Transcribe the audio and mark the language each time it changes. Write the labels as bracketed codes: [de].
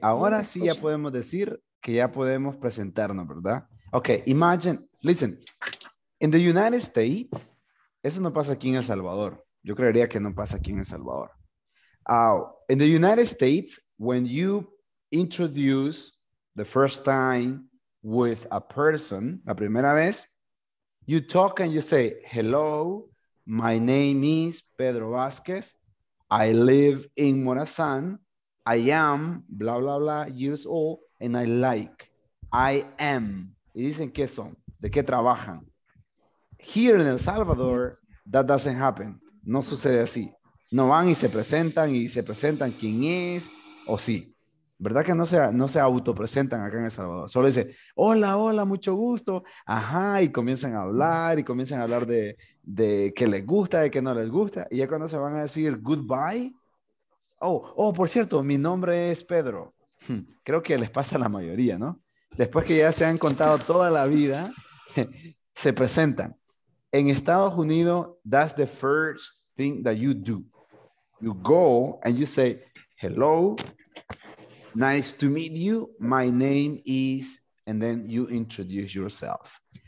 [es] Ahora sí ya podemos decir que ya podemos presentarnos, ¿verdad? [en] Okay. Imagine. Listen. In the United States, [es] eso no pasa aquí en El Salvador. Yo creería que no pasa aquí en El Salvador. [en] In the United States, when you introduce the first time with a person, [es] la primera vez, [en] you talk and you say, hello, my name is Pedro Vázquez. I live in Morazán. I am blah, blah, blah years old. And I like, I am. [es] Y dicen, ¿qué son? ¿De qué trabajan? [en] Here in El Salvador, that doesn't happen. [es] No sucede así. No van y se presentan quién es o sí. ¿Verdad que no se autopresentan acá en El Salvador? Solo dice, hola, hola, mucho gusto. Ajá, y comienzan a hablar de qué les gusta, de qué no les gusta. Y ya cuando se van a decir goodbye. Oh, por cierto, mi nombre es Pedro. Creo que les pasa a la mayoría, ¿no? Después que ya se han contado toda la vida, se presentan. En Estados Unidos, [en] that's the first thing that you do. You go and you say, hello, nice to meet you. My name is, and then you introduce yourself.